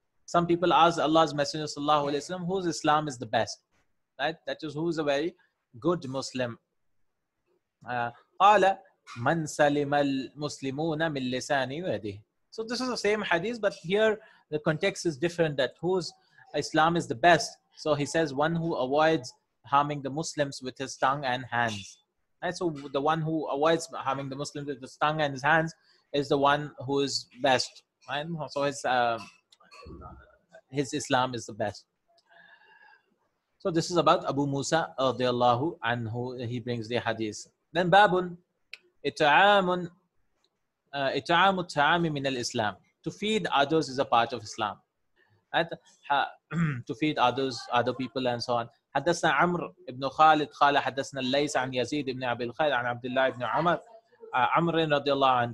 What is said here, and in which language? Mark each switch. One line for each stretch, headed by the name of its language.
English: Some people ask Allah's Messenger, sallallahu alayhi wa sallam, whose Islam is the best? Right? That is, who is a very good Muslim.
Arabic: Qala, من سلم المسلمون من لساني ويديه.
English: So this is the same hadith, but here the context is different, that whose Islam is the best. So he says, one who avoids harming the Muslims with his tongue and hands. Right? So the one who avoids harming the Muslims with his tongue and his hands is the one who is best. Right? So his Islam is the best. So this is about Abu Musa radiallahu anhu. He brings the hadith. Then Babun,
Arabic: إطعام الطعام من الإسلام.
English: To feed others is a part of Islam. To feed others, other people and so on.
Arabic: حدثنا عمر بن خالد قال حدثنا الليث عن يزيد بن أبي الخير عن عبد الله بن عمر عمر رضي الله عنه.